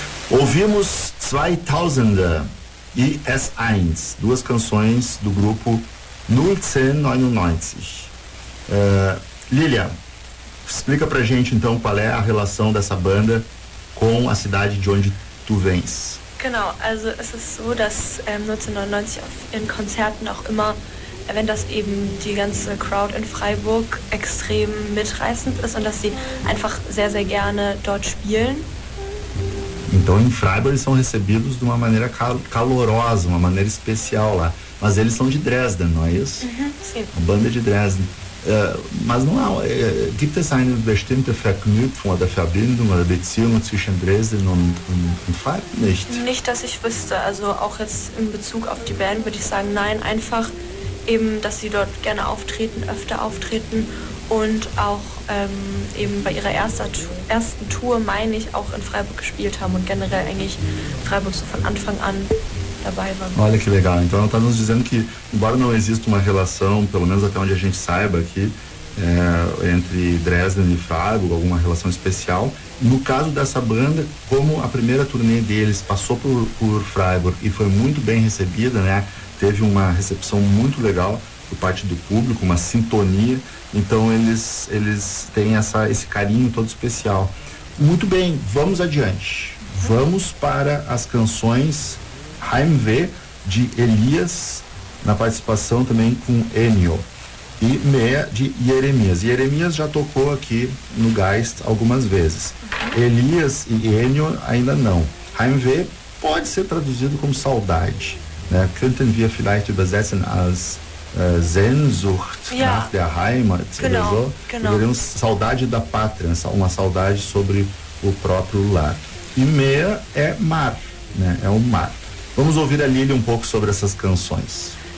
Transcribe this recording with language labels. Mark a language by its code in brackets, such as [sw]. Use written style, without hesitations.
[pt] Ouvimos 2000 e S1, duas canções do grupo 1999. Lilia, explica pra gente então qual é a relação dessa banda com a cidade de onde tu vens. [de] Genau, also es ist so, dass 1999 auf ihren Konzerten auch immer, wenn das eben die ganze Crowd in Freiburg extrem mitreißend ist und dass sie einfach sehr, sehr gerne dort spielen. [pt] Então em Freiburg eles são recebidos de uma maneira calorosa, uma maneira especial lá. Mas eles são de Dresden, não é isso? Uhum, sim. Uma banda de Dresden. Mas não há, [de] gibt es eine bestimmte Verknüpfung oder Verbindung oder Beziehung zwischen Dresden und Freiburg nicht? Nicht, dass ich wüsste. Also auch jetzt in Bezug auf die Band würde ich sagen, nein, einfach eben, dass sie dort gerne auftreten, öfter auftreten. Und auch eben bei ihrer ersten Tour, meine ich, auch in Freiburg gespielt haben und generell eigentlich Freiburg so von Anfang an dabei waren. [pt] Olha que legal. Então ela está nos dizendo que, embora não exista uma relação, pelo menos até onde a gente saiba aqui, entre Dresden e Freiburg, alguma relação especial, no caso dessa banda, como a primeira turnê deles passou por Freiburg e foi muito bem recebida, né, teve uma recepção muito legal por parte do público, uma sintonia, então eles têm esse carinho todo especial. Muito bem, vamos adiante. Vamos para as canções Heimweh de Elias, na participação também com Ennio, e Meia de Jeremias. Jeremias já tocou aqui no Geist algumas vezes. Elias e Ennio ainda não. Heimweh pode ser traduzido como saudade, né? [de] Könnten wir vielleicht übersetzen als Sehnsucht, ja, nach der Heimat, genau, oder so. Genau. Wir haben [pt] Saudade da Pátria, uma saudade sobre o próprio lar. E Meer é mar, né? É o mar. Vamos ouvir a Lili um pouco sobre essas canções.